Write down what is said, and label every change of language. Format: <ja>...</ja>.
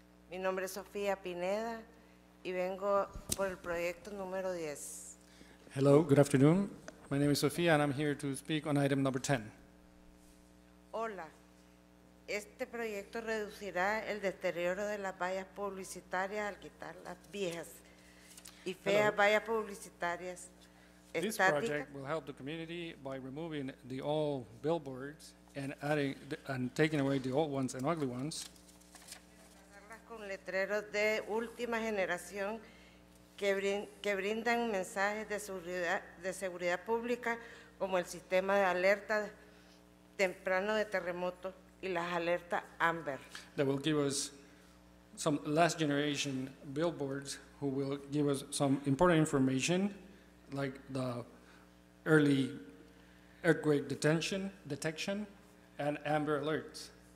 <es>Mi nombre es Sofía Pineda y vengo por el proyecto número 10.</es> <en>Hello, good afternoon. My name is Sofía and I'm here to speak on item number 10.</en> <es>Hola. Este proyecto reducirá el deterioro de las vallas publicitarias al quitar las viejas y feas vallas publicitarias.</es> <en>This project will help the community by removing the old billboards and adding and taking away the old ones and ugly ones.</en> <es>Con letreros de última generación que brindan mensajes de seguridad pública como el sistema de alerta temprano de terremoto y las alertas AMBER.</es> <en>That will give us some last generation billboards who will give us some important information like the early earthquake detection and AMBER alerts.</en>